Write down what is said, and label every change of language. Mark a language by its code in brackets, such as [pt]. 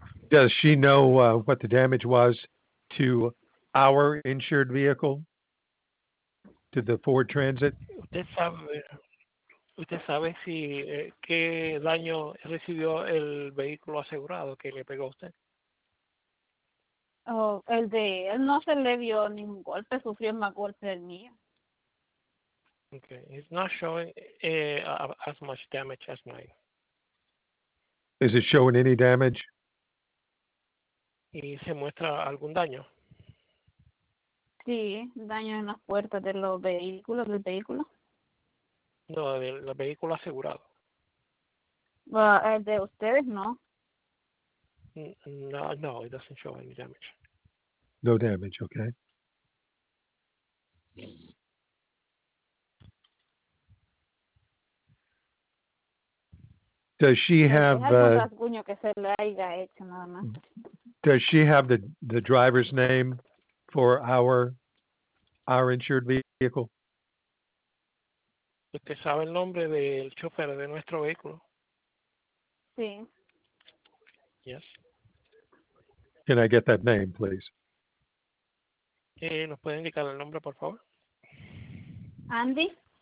[en] Does she know what the damage was to our insured vehicle, to the Ford Transit? [es] ¿Usted sabe si qué daño recibió el vehículo asegurado que le pegó usted? Oh, el de él no se le dio ningún golpe, sufrió más golpes del mío. [en] Okay, it's not showing as much damage as mine. Is it showing any damage? [es] ¿Y se muestra algún daño? Sí, daño en las puertas de los vehículos, del vehículo. No, del vehículo asegurado. ¿El de ustedes no? [en] No, it doesn't show any damage. No damage, okay. Does she have... [es] rasguño que se le haya hecho nada más. [en] Does she have the driver's name for our insured vehicle? [es] ¿Usted sabe el nombre del chofer de nuestro vehículo? Sí. [en] Yes. Can I get that name, please? [es] ¿Nos puede indicar el nombre, por favor? Andy.